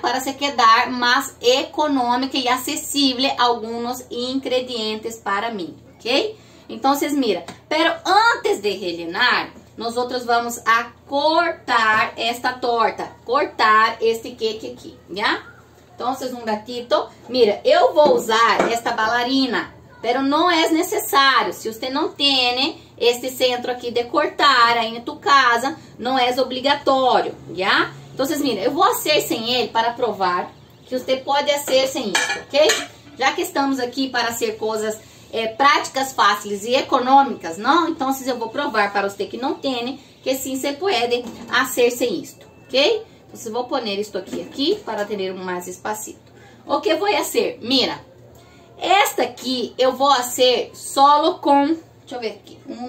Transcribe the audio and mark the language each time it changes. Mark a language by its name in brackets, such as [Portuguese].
[Portuguese] Para se quedar mais econômica e acessível alguns ingredientes para mim, ok? Então, vocês mira. [Spanish] Pero antes de relenar, [Portuguese] nós outros [Spanish] vamos a cortar esta torta, cortar este cake aqui, já? Entonces, un ratito. Mira, yo voy a usar esta bailarina, pero no es necesario. Si usted no tiene este centro aquí de cortar ahí en tu casa, no es obligatorio, ¿ya? Entonces, mira, yo voy a hacer sin él para probar que usted puede hacer sin esto, ¿ok? [Portuguese] Já que estamos aqui para ser coisas práticas, fáceis e econômicas, não? Então, eu vou provar para você que não tem, que sim, você pode fazer sem isto, ok? Então, eu vou pôr isto aqui para ter mais espacito. O que vou fazer? Mira, esta aqui eu vou fazer solo com... Deixa eu ver aqui.